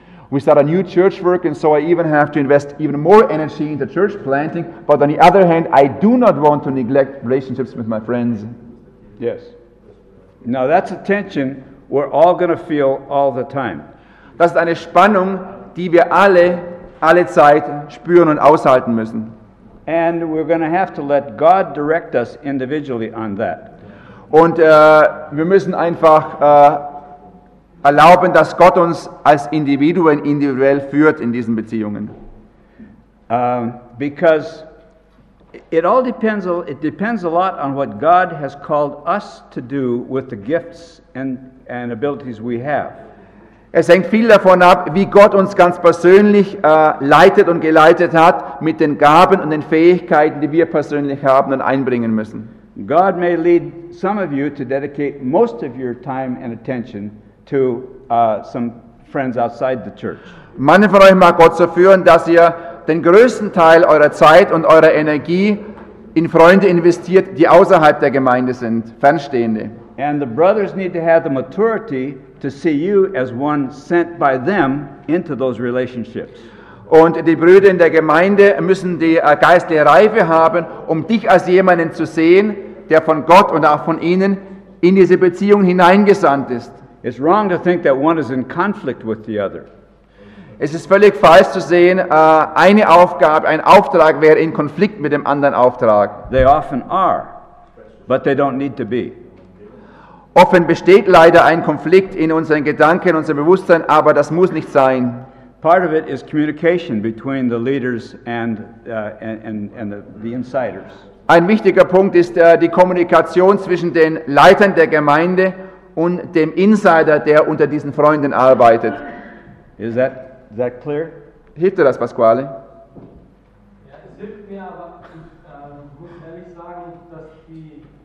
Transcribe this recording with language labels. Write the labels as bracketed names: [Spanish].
[English] We start a new church work, and so I even have to invest even more energy into church planting. But on the other hand, I do not want to neglect relationships with my friends. Yes. Now that's a tension we're all going to feel all the time. [German] Das ist eine Spannung, die wir alle Zeit spüren und aushalten müssen. [English] And we're going to have to let God direct us individually on that. [German] Und wir müssen einfach erlauben, dass Gott uns als Individuen individuell führt in diesen Beziehungen. [English] Because it depends a lot on what God has called us to do with the gifts and abilities we have. [German] Es hängt viel davon ab, wie Gott uns ganz persönlich leitet und geleitet hat mit den Gaben und den Fähigkeiten, die wir persönlich haben und einbringen müssen. [English] God may lead some of you to dedicate most of your time and attention to some friends outside the church. [German] Manche von euch mag Gott so führen, dass ihr den größten Teil eurer Zeit und eurer Energie in Freunde investiert, die außerhalb der Gemeinde sind, fernstehende. [English] And the brothers need to have the maturity to see you as one sent by them into those relationships. [German] Und die Brüder in der Gemeinde müssen die geistliche Reife haben, um dich als jemanden zu sehen, der von Gott und auch von ihnen in diese Beziehung hineingesandt ist. [English] It's wrong to think that one is in conflict with the other. [German] Es ist völlig falsch zu sehen, eine Aufgabe, ein Auftrag wäre in Konflikt mit dem anderen Auftrag. [English] They often are, but they don't need to be. [German] Offen besteht leider ein Konflikt in unseren Gedanken, in unserem Bewusstsein, aber das muss nicht sein. [English] Part of it is communication between the leaders and the insiders. [German] Ein wichtiger Punkt ist die Kommunikation zwischen den Leitern der Gemeinde und dem Insider, der unter diesen Freunden arbeitet. [English] Is that clear? [German] Hilft dir das, Pasquale? Ja, es hilft mir, aber ich muss ehrlich sagen, dass die